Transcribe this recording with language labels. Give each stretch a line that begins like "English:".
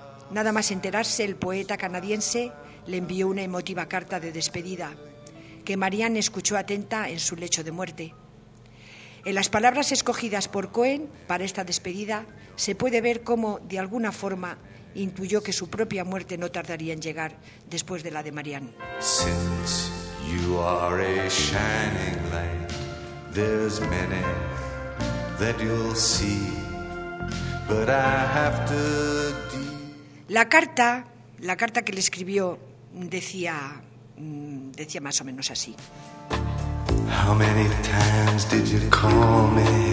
Spanish: Nada más enterarse, el poeta canadiense le envió una emotiva carta de despedida que Marianne escuchó atenta en su lecho de muerte. En las palabras escogidas por Cohen para esta despedida se puede ver cómo, de alguna forma, intuyó que su propia muerte no tardaría en llegar después de la de Marianne.
English: Since you are a shining light, there's many that you'll see, but I have to...
Spanish: La carta que le escribió decía más o menos así.
English: How many times did you call me?